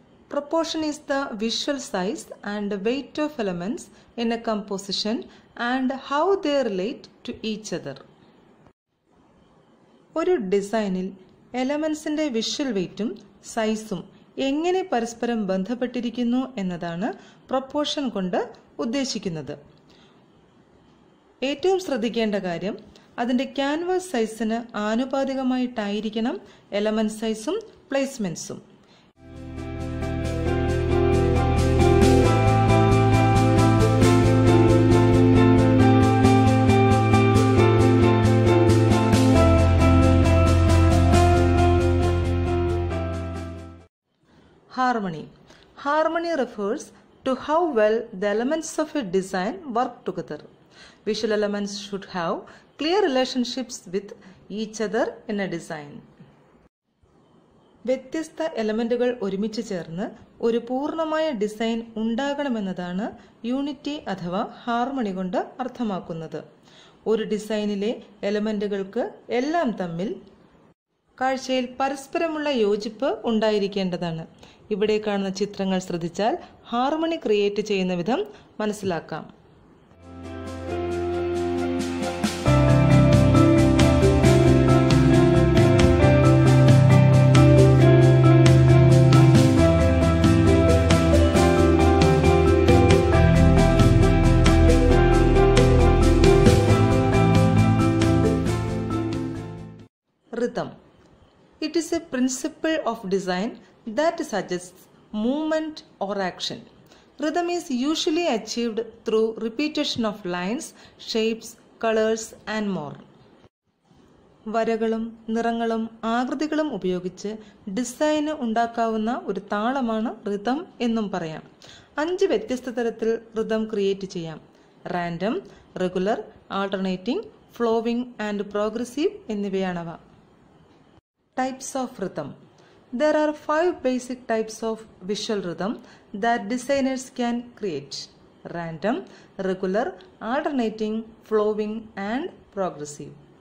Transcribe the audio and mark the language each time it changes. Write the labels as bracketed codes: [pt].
[en] Proportion is the visual size and weight of elements in a composition and how they relate to each other. [ml] ഒരു ഡിസൈനിൽ എലമെന്റ്സിന്റെ visual വെയ്റ്റും സൈസും എങ്ങനെ പരസ്പരം ബന്ധപ്പെട്ടിരിക്കുന്നു എന്നതാണ് പ്രൊപ്പോർഷൻ കൊണ്ട് ഉദ്ദേശിക്കുന്നത്. ഏറ്റവും ശ്രദ്ധിക്കേണ്ട കാര്യം അതിന്റെ ക്യാൻവാസ് സൈസിന് ആനുപാതികമായിട്ടായിരിക്കണം എലമെന്റ് സൈസും പ്ലേസ്മെന്റ്സും. [en] Harmony. Harmony refers to how well the elements of a design work together. Visual elements should have clear relationships with each other in a design. [ml] വ്യത്യസ്ത എലമെന്റുകൾ ഒരുമിച്ച് ചേർന്ന് ഒരു പൂർണ്ണമായ ഡിസൈൻ ഉണ്ടാകണമെന്നതാണ് യൂണിറ്റി അഥവാ ഹാർമണി കൊണ്ട് അർത്ഥമാക്കുന്നത്. ഒരു ഡിസൈനിലെ എലമെന്റുകൾക്ക് എല്ലാം തമ്മിൽ കാഴ്ചയിൽ പരസ്പരമുള്ള യോജിപ്പ് ഉണ്ടായിരിക്കേണ്ടതാണ്. ഇവിടെ കാണുന്ന ചിത്രങ്ങൾ ശ്രദ്ധിച്ചാൽ ഹാർമണി ക്രിയേറ്റ് ചെയ്യുന്ന വിധം മനസ്സിലാക്കാം. [en] Rhythm. It is a principle of design that suggests movement or action. Rhythm is usually achieved through repetition of lines, shapes, colors, and more. [ml] വരകളും നിറങ്ങളും ആകൃതികളും ഉപയോഗിച്ച് ഡിസൈന് ഉണ്ടാക്കാവുന്ന ഒരു താളമാണ് റിതം എന്നും പറയാം. അഞ്ച് വ്യത്യസ്ത തരത്തിൽ റിതം ക്രിയേറ്റ് ചെയ്യാം. Random, regular, alternating, flowing and progressive എന്നിവയാണവ. [en] Types of rhythm. There are five basic types of visual rhythm that designers can create: random, regular, alternating, flowing, and progressive.